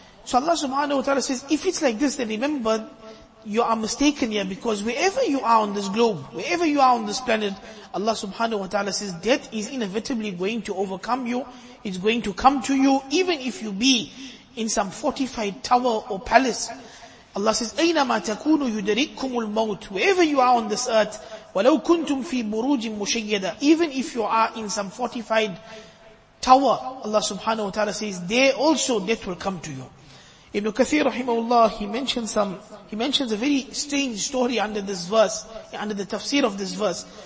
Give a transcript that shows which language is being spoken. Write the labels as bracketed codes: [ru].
[en] So Allah subhanahu wa ta'ala says, if it's like this, then remember, you are mistaken here, because wherever you are on this globe, wherever you are on this planet, Allah subhanahu wa ta'ala says, death is inevitably going to overcome you, it's going to come to you, even if you be in some fortified tower or palace. Allah says, [ar] أَيْنَمَا تَكُونُوا يُدَرِكُمُ الْمَوْتِ. [en] Wherever you are on this earth, [ar] وَلَوْ كُنْتُمْ فِي بُرُوجٍ مُشَيَّدًا. [en] Even if you are in some fortified tower, Allah subhanahu wa ta'ala says, there also death will come to you. Ibn Kathir rahimahullah, he mentions a very strange story under this verse, under the tafsir of this verse.